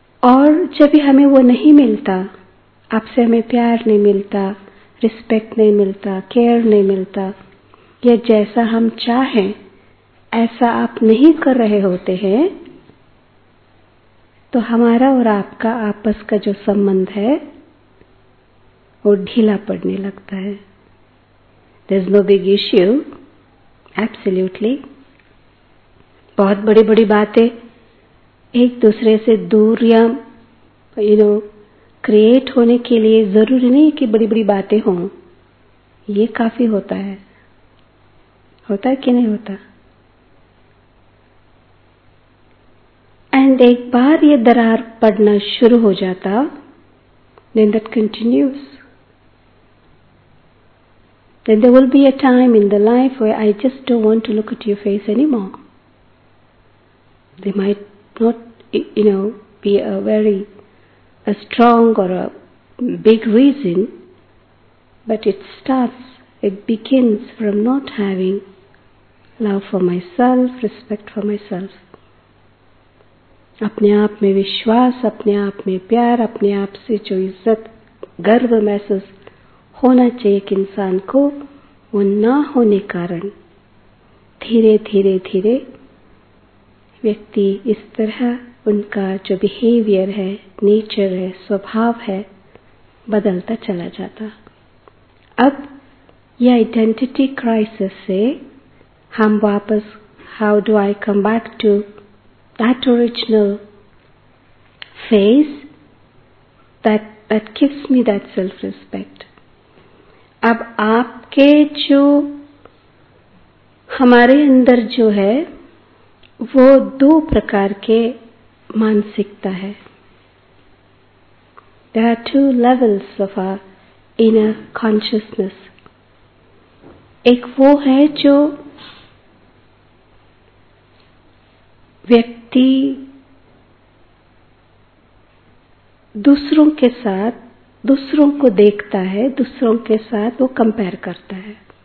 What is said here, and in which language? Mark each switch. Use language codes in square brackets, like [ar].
[hi] और जब भी हमें वो नहीं मिलता, आपसे हमें प्यार नहीं मिलता, रिस्पेक्ट नहीं मिलता, केयर नहीं मिलता, या जैसा हम चाहें ऐसा आप नहीं कर रहे होते हैं, तो हमारा और आपका आपस का जो संबंध है वो ढीला पड़ने लगता है. [en] There is no big issue, absolutely. [hi] बहुत बड़ी बड़ी बातें एक दूसरे से दूर या क्रिएट होने के लिए जरूरी नहीं कि बड़ी बड़ी बातें हों, ये काफी होता है. होता है कि नहीं होता? एंड एक बार ये दरार पड़ना शुरू हो जाता, [en] then that continues. Then there will be a time in the life where I just don't want to look at your face anymore. There might not, be a strong or a big reason, but it begins from not having love for myself, respect for myself. [hi] अपने आप में विश्वास, अपने आप में प्यार, अपने आप से जो इज्जत, गर्व महसूस होना चाहिए एक इंसान को, वो ना होने कारण धीरे धीरे धीरे व्यक्ति इस तरह उनका जो बिहेवियर है, नेचर है, स्वभाव है, बदलता चला जाता. अब ये आइडेंटिटी क्राइसिस से हम वापस, [en] How do I come back to that original face that gives me that self respect. [hi] अब आपके जो हमारे अंदर जो है वो दो प्रकार के मानसिकता है. [en] There are two levels of our inner consciousness. [hi] एक वो है जो व्यक्ति दूसरों के साथ, दूसरों को देखता है, दूसरों के साथ वो कंपेयर करता है.